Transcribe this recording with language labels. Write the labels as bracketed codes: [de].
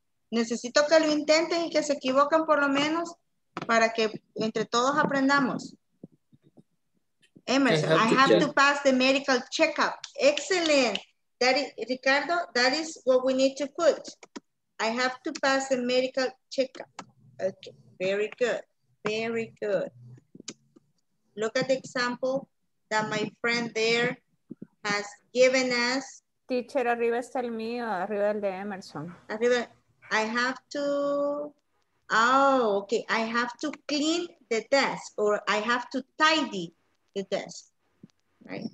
[es] Necesito que lo intenten y que se equivoquen por lo menos para que entre todos aprendamos. [en] Emerson, I have to pass the medical checkup. Excellent. That is, Ricardo, that is what we need to put. I have to pass the medical checkup. Okay, very good. Very good. Look at the example that my friend there has given us. [es] Teacher, arriba está el mío, arriba el de Emerson. Arriba. [en] I have to, I have to clean the desk or I have to tidy the desk, right?